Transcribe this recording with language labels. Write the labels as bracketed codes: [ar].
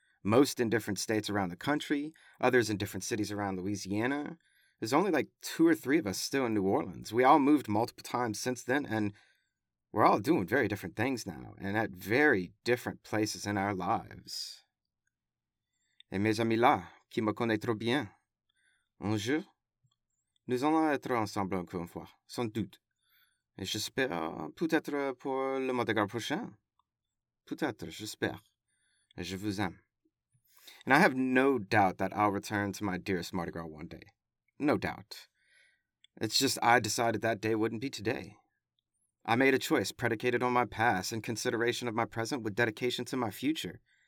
[en] Most in different states around the country, others in different cities around Louisiana. There's only like 2 or 3 of us still in New Orleans. We all moved multiple times since then, and we're all doing very different things now, and at very different places in our lives. [fr] Et mes amis là, qui me connaît trop bien. Un jour, nous allons être ensemble encore une fois, sans doute. Et j'espère, peut-être pour le Mardi Gras prochain. Peut-être, j'espère. Et je vous aime. [en] And I have no doubt that I'll return to my dearest Mardi Gras one day. No doubt. It's just I decided that day wouldn't be today. I made a choice predicated on my past and consideration of my present with dedication to my future.